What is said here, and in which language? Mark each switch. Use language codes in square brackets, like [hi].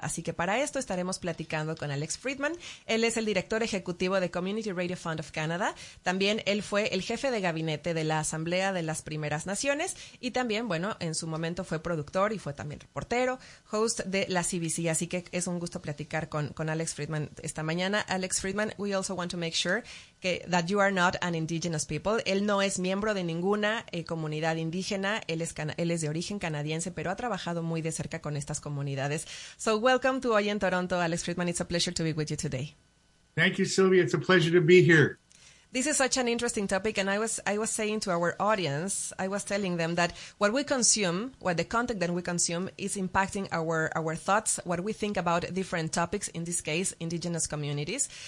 [es] Así que para esto estaremos platicando con Alex Friedman. Él es el director ejecutivo de Community Radio Fund of Canada. También él fue el jefe de gabinete de la Asamblea de las Primeras Naciones y también, bueno, en su momento fue productor y fue también reportero, host de la CBC, así que es un gusto platicar con Alex Friedman esta mañana. [en] Alex Friedman, we also want to make sure that you are not an indigenous people. [es] Él no es miembro de ninguna comunidad indígena, él es de origen canadiense, pero ha trabajado muy de cerca con estas comunidades. [en] So welcome to Hoy en Toronto, Alex Friedman. It's a pleasure to be with you today. Thank you, Sylvia. It's a pleasure to be here. This is such an interesting topic, and I was saying to our audience, I was telling them that what we consume, what the content that we consume is impacting our thoughts, what we think about different topics, in this case, Indigenous communities.